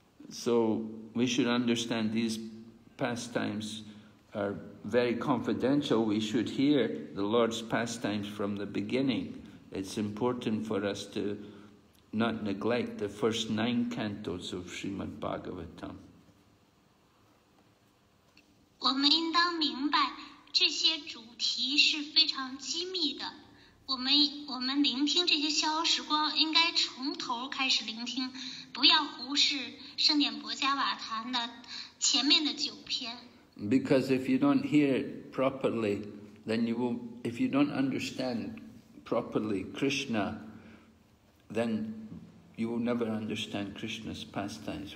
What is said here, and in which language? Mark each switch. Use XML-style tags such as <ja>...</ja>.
<en>So we should understand these pastimes are very confidential. We should hear the Lord's pastimes from the beginning. It's important for us to not neglect the first 9 cantos of Srimad Bhagavatam.</en> <zh>我们应当明白这些主题是非常机密的。我们聆听这些逍遥时光，应该从头开始聆听，不要忽视圣殿薄伽瓦坛的前面的九篇。</zh> <en>Because if you don't hear it properly, then you will, if you don't understand properly Krishna, then you will never understand Krishna's pastimes.</en>